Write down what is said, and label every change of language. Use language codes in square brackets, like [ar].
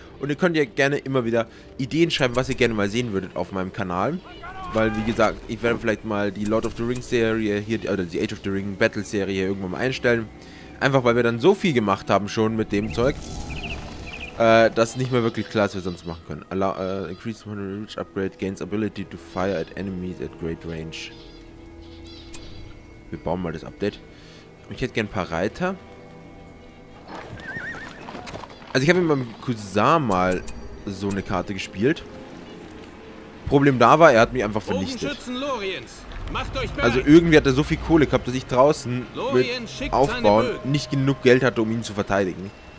[de] Und ihr könnt ja gerne immer wieder Ideen schreiben, was ihr gerne mal sehen würdet auf meinem Kanal. Weil, wie gesagt, ich werde vielleicht mal die Lord of the Rings Serie hier, oder die Age of the Ring Battle Serie hier irgendwann mal einstellen. Einfach, weil wir dann so viel gemacht haben schon mit dem Zeug, dass nicht mehr wirklich klar ist, was wir sonst machen können. [en] Increased 100 Reach Upgrade gains ability to fire at enemies at great range. [de] Wir bauen mal das Update. Ich hätte gerne ein paar Reiter. Also ich habe mit meinem Cousin mal so eine Karte gespielt. Problem da war, er hat mich einfach vernichtet. Also irgendwie hat er so viel Kohle gehabt, dass ich draußen mit Aufbauen nicht genug Geld hatte, um ihn zu verteidigen.